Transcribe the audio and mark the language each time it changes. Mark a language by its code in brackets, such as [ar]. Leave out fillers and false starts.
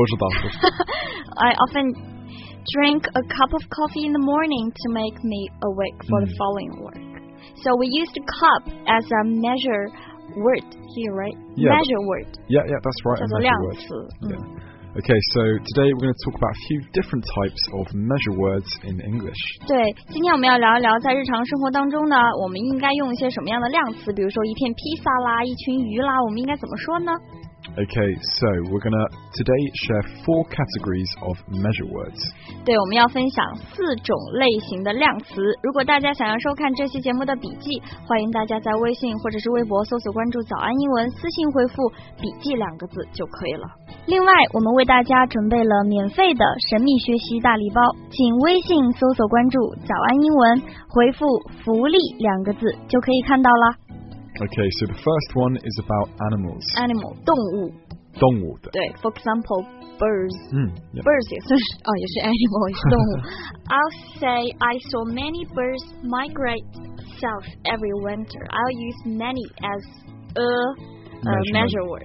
[en] I often drink a cup of coffee in the morning to make me awake for the following work. So we used a cup as a measure word here, right? Yeah, measure word. Yeah, yeah, that's right. A measure word. Yeah. Okay, so today we're going to talk about a few different types of measure words in English. [zh] 对，今天我们要聊一聊在日常生活当中呢，我们应该用一些什么样的量词，比如说一片披萨啦，一群鱼啦，我们应该怎么说呢？ [en] Okay, so we're going to today share four categories of measure words. [zh] 对，我们要分享四种类型的量词。如果大家想要收看这期节目的笔记，欢迎大家在微信或者是微博搜索关注早安英文，私信回复笔记两个字就可以了。另外，我们为大家准备了免费的神秘学习大礼包，请微信搜索关注“早安英文”，回复“福利”两个字就可以看到了。 [en] Okay, so the first one is about animals. Animal, 动物。 [zh] 动物的。 [en] 对 ，for example, birds. Yeah. Birds 也算是，哦，也是 animal，也是动物。 I'll say I saw many birds migrate south every winter. I'll use many as a. Measure word.